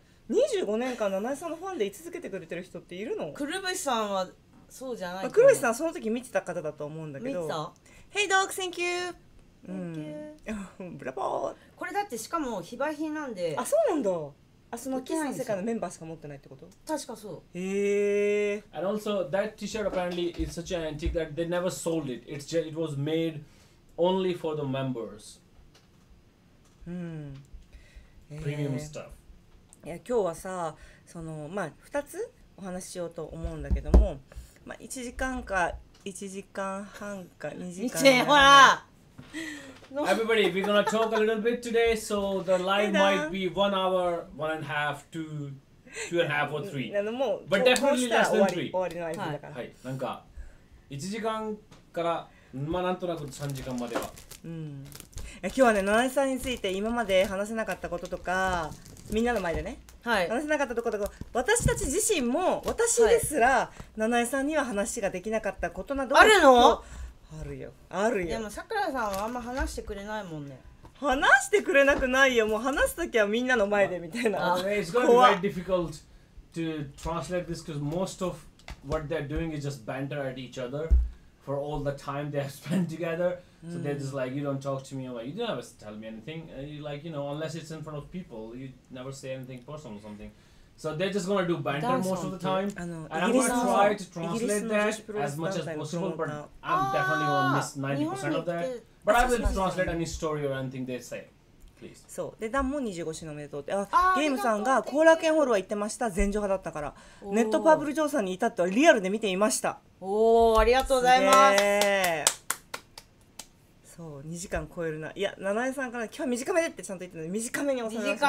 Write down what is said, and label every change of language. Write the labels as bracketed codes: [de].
[ja] 25年間奈々江さんのファンで居続けてくれてる人っているの？くるぶしさんはそうじゃないかな。くるぶしさんその時見てた方だと思うんだけど。見た。 [en] Hey dog, thank you! Thank you. [ja] ブラボー。これだってしかも非売品なんで。あ、そうなんだ。あ、そのキスの世界のメンバーしか持ってないってこと？確かそう。へぇー。 [en] And also that T-shirt apparently is such an antique that they never sold it. It's just, it was madeOnly for the members. Premium stuff. [ja] いや、今日はさ、そのまあ二つお話ししようと思うんだけども、まあ1時間か1時間半か2時間。ほら。 [en] Everybody, we're gonna talk a little bit today, so the line might be 1 hour, 1.5, two and a half or three. [ja] なのも、 [en] but definitely less than three. [ja] 終わりの間だから。はい、なんか1時間から。まあなんとなく3時間までは、うん、今日はね、奈々さんについて今まで話せなかったこととか、みんなの前でね、はい、話せなかったところとか、私たち自身も、私ですら、はい、奈々さんには話ができなかったことなど、あるの？あるよ、あるよ。でもさくらさんはあんま話してくれないもんね。話してくれなくないよ。もう話すときはみんなの前でみたいな。 [en] It's going to be very difficult to translate this because most of what they're doing is just banter at each otherfor all the time they have spent together. So they're just like, you don't talk to me. I'm like, you don't have to tell me anything. You like, you know, unless it's in front of people, you never say anything personal or something. So they're just gonna do banter most of the time. And I'm gonna try to translate that as much as possible, but I'm definitely gonna miss 90% of that. But I will translate any story or anything they say. Please. [ja] そうで、ダンも25周年おめでとうって、あ、ゲームさんが後楽園ホールは行ってました、前場派だったから、ネットパブル嬢さんに至ってはリアルで見ていました。おお、ありがとうございます。そう、2時間超えるな。いや、七重さんから今日は短めでってちゃんと言ってるので短めに抑えましょう。